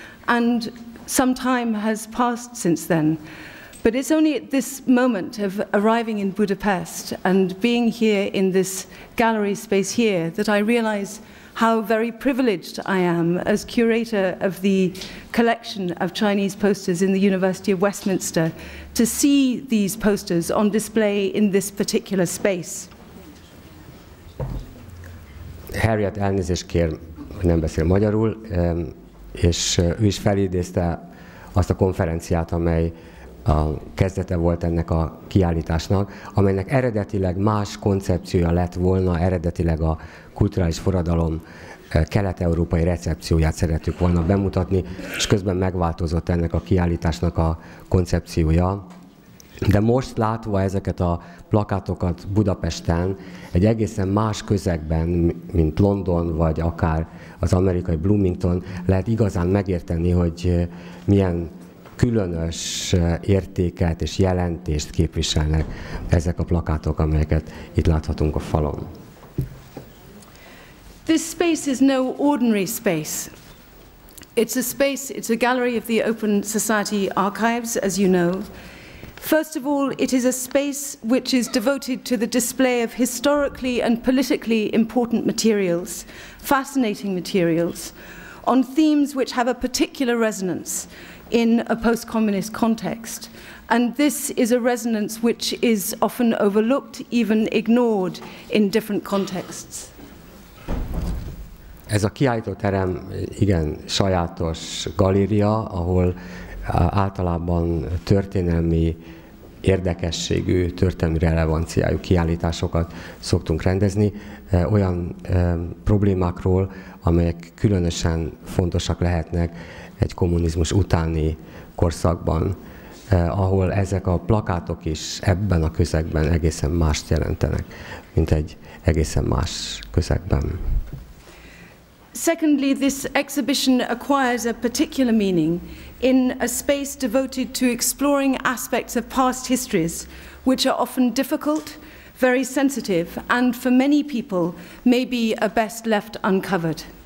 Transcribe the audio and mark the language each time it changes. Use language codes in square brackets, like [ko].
[en] And some time has passed since then. But it's only at this moment of arriving in Budapest and being here in this gallery space here that I realize how very privileged I am as curator of the collection of Chinese posters in the University of Westminster to see these posters on display in this particular space. [hu] Harriet, elnézést kér, hogy nem beszél magyarul, és ő is felidézte azt a konferenciát, amely a kezdete volt ennek a kiállításnak, amelynek eredetileg más koncepciója lett volna, eredetileg a kulturális forradalom kelet-európai recepcióját szerettük volna bemutatni, és közben megváltozott ennek a kiállításnak a koncepciója. De most látva ezeket a plakátokat Budapesten, egy egészen más közegben, mint London, vagy akár az amerikai Bloomington, lehet igazán megérteni, hogy milyen különös értéket és jelentést képviselnek ezek a plakátok, amelyeket itt láthatunk a falon. [en] This space is no ordinary space. It's a space, it's a gallery of the Open Society Archives, as you know. First of all, it is a space which is devoted to the display of historically and politically important materials, fascinating materials, on themes which have a particular resonance in a post-communist context. And this is a resonance which is often overlooked, even ignored in different contexts. [hu] Ez a kiállító terem, igen, sajátos galéria, ahol általában történelmi érdekességű, történelmi relevanciájú kiállításokat szoktunk rendezni, olyan problémákról, amelyek különösen fontosak lehetnek egy kommunizmus utáni korszakban, ahol ezek a plakátok is ebben a közegben egészen mást jelentenek, mint egy egészen más közegben. [en] Secondly, this exhibition acquires a particular meaning in a space devoted to exploring aspects of past histories, which are often difficult, very sensitive, and for many people may be best left uncovered.